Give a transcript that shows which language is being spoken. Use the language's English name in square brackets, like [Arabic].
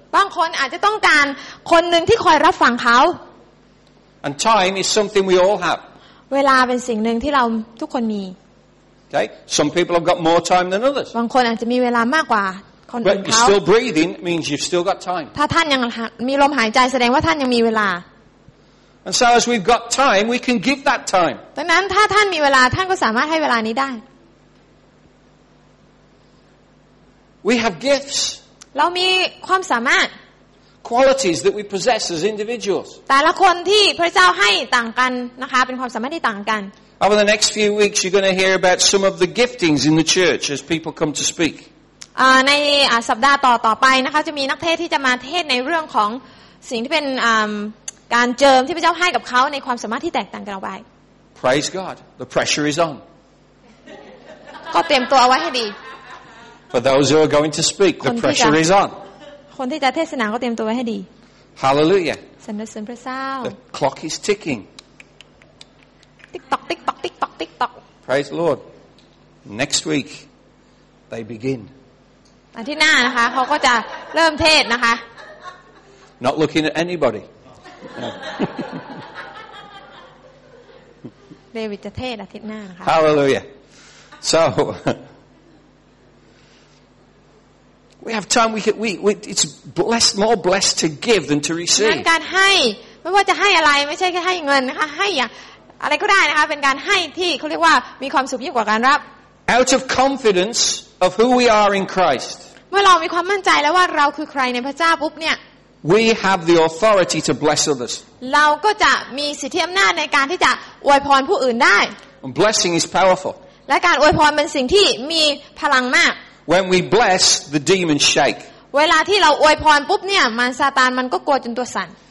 [Thai] บางคนอาจจะต้องการคนหนึ่งที่คอยรับฟังเขา [English] And time is something we all have. [Thai] เวลาเป็นสิ่งหนึ่งที่เราทุกคนมี [English] Okay some people have got more time than others [Thai] บางคนอาจจะมีเวลามากกว่าคนอื่นเขา [English] But you're still breathing means you've still got time [Thai] ถ้าท่านยังมีลมหายใจแสดงว่าท่านยังมีเวลา [English] And so as we've got time we can give that time [Thai] ดังนั้นถ้าท่านมีเวลาท่านก็สามารถให้เวลานี้ได้ [English] We have gifts [Thai] เรามีความสามารถ [English] qualities that we possess as individuals [Thai] แต่ละคนที่พระเจ้าให้ต่างกันนะคะเป็นความสามารถที่ต่างกัน [English] Over the next few weeks you're going to hear about some of the giftings in the church as people come to speak [Thai] ในสัปดาห์ต่อๆไปนะคะจะมีนักเทศที่จะมาเทศในเรื่องของสิ่งที่เป็นการเจิมที่พระเจ้าให้กับเขาในความสามารถที่แตกต่างกันออกไป [English] Praise God the pressure is on [Thai] ก็เตรียมตัวเอาไว้ให้ดี [English] For those who are going to speak the pressure is on [Thai] คนที่จะเทศนาก็เตรียมตัวไว้ให้ดี [English] Hallelujah [Thai] สรรเสริญพระเจ้า [English] The clock is ticking Tick tock tick tock tick tock tick tock Praise the Lord Next week they begin [Thai] อาทิตย์หน้านะคะเขาก็จะเริ่มเทศนะคะ [English] Not looking at anybody [Thai] เดวิดจะเทศอาทิตย์หน้านะคะ [English] Hallelujah So We have time. We it's blessed more blessed to give than to receive. [Thai] การให้ไม่ว่าจะให้อะไรไม่ใช่แค่ให้เงินนะคะให้อย่างอะไรก็ได้นะคะเป็นการให้ที่เขาเรียกว่ามีความสุขยิ่งกว่าการรับ [English] Out of confidence of who we are in Christ. [Thai] เมื่อเรามีความมั่นใจแล้วว่าเราคือใครในพระเจ้าปุ๊บเนี่ย [English] We have the authority to bless others. [Thai] เราก็จะมีสิทธิอำนาจในการที่จะอวยพรผู้อื่นได้ [English] Blessing is powerful. [Thai] และการอวยพรเป็นสิ่งที่มีพลังมาก [English] When we bless, the demons shake. [Thai] เวลาที่เราอวยพรปุ๊บเนี่ยมันซาตานมันก็กลัวจนตัวสั่น